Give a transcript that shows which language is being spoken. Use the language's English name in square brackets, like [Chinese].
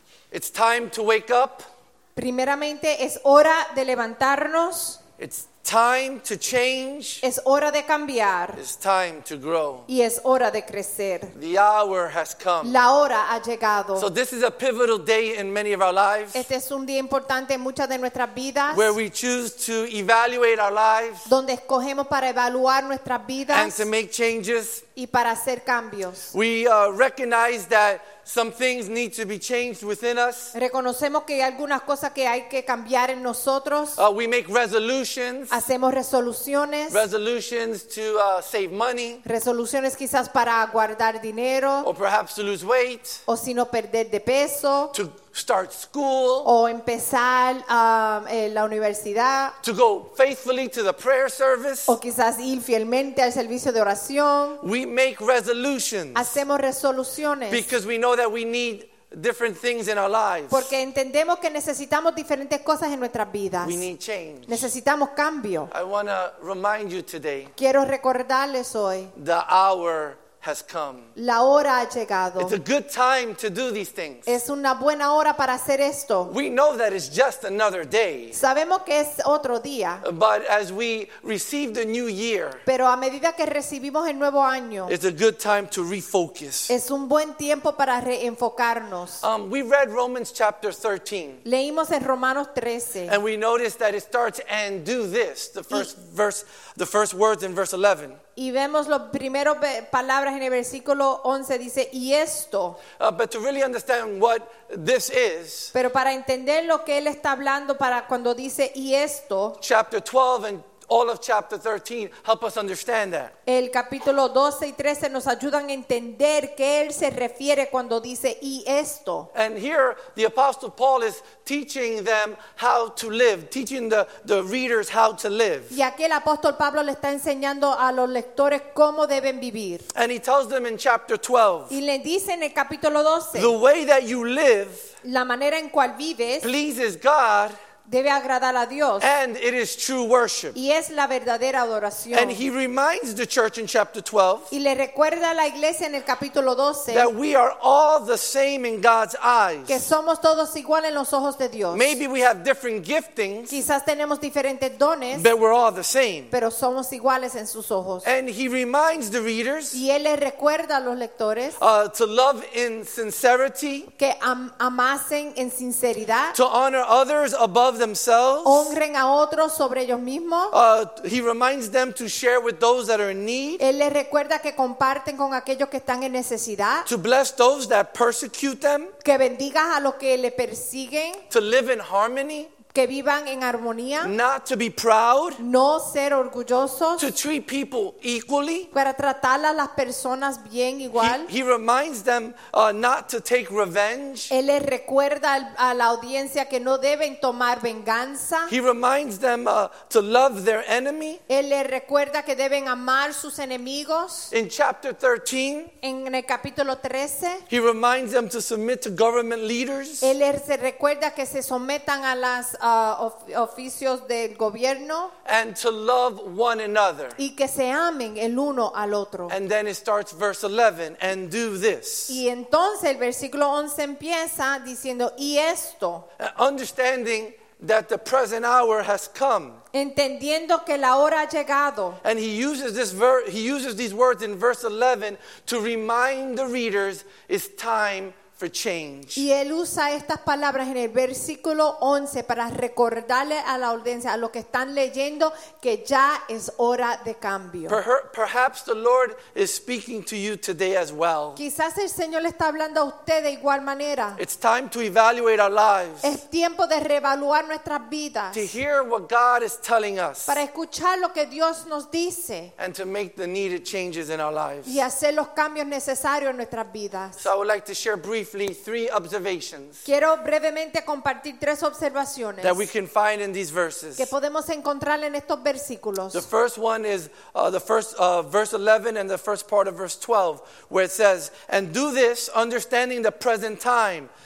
[English] It's time to wake up. [Spanish] Primeramente, es hora de levantarnos. [English] It's time to change. [Spanish] Es hora de cambiar. [English] It's time to grow. [Spanish] Y es hora de crecer. [English] The hour has come. [Spanish] La hora ha llegado. [English] So this is a pivotal day in many of our lives. [Spanish] Este es un día importante en muchas de nuestras vidas. [English] Where we choose to evaluate our lives. [Spanish] Donde escogemos para evaluar nuestras vidas. [English] And to make changes. [Spanish] Y para hacer cambios. [English] We recognize that some things need to be changed within us. [Spanish] Reconocemos que hay algunas cosas que hay que cambiar en nosotros. [English] We make resolutions. [Spanish] Hacemos resoluciones. [English] Resolutions to save money. [Spanish] Resoluciones quizás para guardar dinero. [English] Or perhaps to lose weight. [Spanish] O si no perder de peso. [English] To start school. [Spanish] O empezar la universidad. [English] To go faithfully to the prayer service. [Spanish] O quizás ir fielmente al servicio de oración. [English] We make resolutions. [Spanish] Hacemos resoluciones. [English] Because we know that we need different things in our lives. [Spanish] Porque entendemos que necesitamos diferentes cosas en nuestras vidas. [English] We need change. [Spanish] Necesitamos cambio. [English] I want to remind you today. [Spanish] Quiero recordarles hoy. [English] The hour has come. [Spanish] La hora ha llegado. [English] It's a good time to do these things. [Spanish] Es una buena hora para hacer esto. [English] We know that it's just another day. [Spanish] Sabemos que es otro día. [English] But as we receive the new year, [Spanish] pero a medida que recibimos el nuevo año, [English] it's a good time to refocus. [Spanish] Es un buen tiempo para reenfocarnos. [English] We read Romans chapter 13. [Spanish] Leímos en Romanos 13. [English] And we noticed that it starts and do this, the first words in verse 11. [Spanish] Y vemos las primeras palabras en el versículo 11, dice, y esto. [English] But to really understand what this is, [Spanish] pero para entender lo que él está hablando para cuando dice, y esto. [English] Chapter 12 and all of chapter 13 help us understand that. [Spanish] El capítulo 12 y 13 nos ayudan a entender qué él se refiere cuando dice, y esto. [English] And here the Apostle Paul is teaching them how to live, teaching the readers how to live. [Spanish] Y aquí el apóstol Pablo le está enseñando a los lectores cómo deben vivir. [English] And he tells them in chapter 12. [Spanish] Y le dice en el capítulo 12. [English] The way that you live, [Spanish] la manera en cual vives, [English] pleases God. [Spanish] Debe agradar a Dios. [English] And it is true worship. [Spanish] Y es la verdadera adoración. [English] And he reminds the church in chapter 12. [Spanish] Y le recuerda a la iglesia en el capítulo 12. [English] That we are all the same in God's eyes. [Spanish] Que somos todos iguales en los ojos de Dios. [English] Maybe we have different giftings. [Spanish] Quizás tenemos diferentes dones. [English] But we're all the same. [Spanish] Pero somos iguales en sus ojos. [English] And he reminds the readers. [Spanish] Y él le recuerda a los lectores. [English] To love in sincerity. [Spanish] Que amasen en sinceridad. [English] To honor others above themselves. [Spanish] Honren a otros sobre ellos mismos. [English] He reminds them to share with those that are in need. [Spanish] Él les recuerda que comparten con aquellos que están en necesidad. [English] To bless those that persecute them. [Spanish] Que bendigas a los que le persiguen. [English] To live in harmony. [Spanish] que vivan en armonía, [English] not to be proud, [Spanish] no ser orgullosos, [English] to treat people equally, [Spanish] para tratar a las personas bien igual. [English] He reminds them not to take revenge. [Spanish] Él les recuerda a la audiencia que no deben tomar venganza. [English] He reminds them to love their enemy. [Spanish] Él les recuerda que deben amar sus enemigos. [English] In chapter 13, [Spanish] en el capítulo 13, [English] he reminds them to submit to government leaders. [Spanish] Él les recuerda que se sometan a las oficios del gobierno, [English] and to love one another, [Spanish] y que se amen el uno al otro. [English] And then it starts verse 11, and do this. [Spanish] Y entonces el versículo 11 empieza diciendo, y esto. [English] Understanding that the present hour has come. [Spanish] Entendiendo que la hora ha llegado. [English] And he uses this he uses these words in verse 11 to remind the readers it's time for change. [Spanish] Y él usa estas palabras en el versículo 11 para recordarle a la audiencia, a los que están leyendo, que ya es hora de cambio. [English] Perhaps the Lord is speaking to you today as well. [Spanish] Quizás el Señor le está hablando a usted de igual manera. [English] It's time to evaluate our lives. [Spanish] Es tiempo de reevaluar nuestras vidas. [English] To hear what God is telling us. [Spanish] Para escuchar lo que Dios nos dice. [English] And to make the needed changes in our lives. [Spanish] Y hacer los cambios necesarios en nuestras vidas. [English] So I would like to share briefly three observations. [Spanish] Quiero brevemente compartir tres observaciones [English] that we can find in these verses. [Spanish] Que podemos encontrar en estos versículos. [English] The first one is verse 11 and the first part of verse 12, where it says, "And do this, understanding the present time.